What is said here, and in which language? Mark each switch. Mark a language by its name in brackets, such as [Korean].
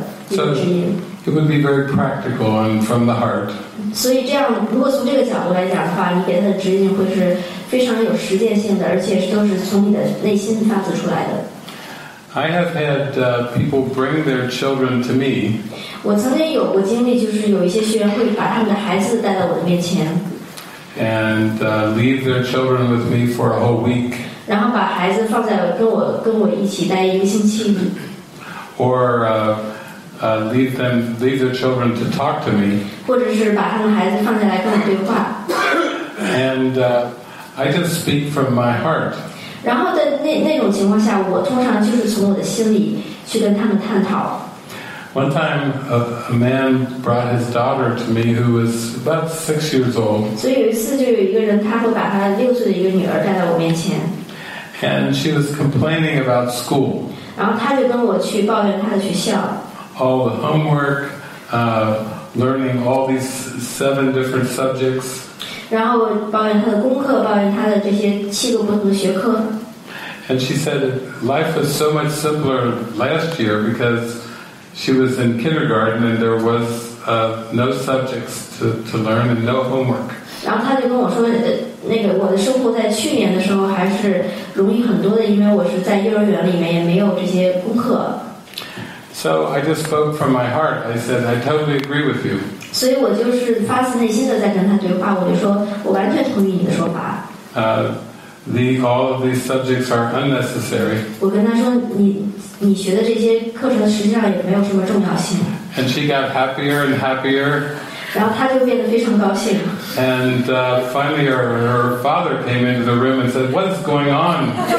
[English] So it would be very practical and from the heart. [Chinese] So, 这样如果从这个角度来讲的话，你给他的指引会是非常有实践性的，而且都是从你的内心发自出来的。 [English] I have had people bring their children to me. [Chinese] 我曾经有过经历，就是有一些学员会把他们的孩子带到我的面前。 [English] And leave their children with me for a whole week. [Chinese] 然后把孩子放在跟我一起待一个星期里。 [English] Or leave their children to talk to me. [Chinese] 或者是把他们孩子放下来跟我对话。 [English] And I just speak from my heart. [Chinese] 然后在那种情况下，我通常就是从我的心里去跟他们探讨。 [English] One time, a man brought his daughter to me who was about 6 years old. [Chinese] 所以有一次，就有一个人，他会把他六岁的一个女儿带到我面前。 [English] And she was complaining about school. [Chinese] 然后他就跟我去抱怨他的学校。 [English] All the homework, learning all these 7 different subjects. [Chinese] 然后抱怨他的功课，抱怨他的这些7个不同的学科。 [English] And she said life was so much simpler last year because she was in kindergarten and there was no subjects to learn and no homework. [Chinese] 然后他就跟我说那个我的生活在去年的时候还是容易很多的，因为我是在幼儿园里面，也没有这些功课。 [English] So I just spoke from my heart. I said I totally agree with you. [Chinese] 所以我就是发自内心的在跟他对话，我就说我完全同意你的说法。 [English] All of these subjects are unnecessary. [Chinese] 我跟他说你学的这些课程实际上也没有什么重要性。 [English] And she got happier and happier. [Chinese] 然后他就变得非常高兴。 [English] And finally her father came into the room and said, what's going on?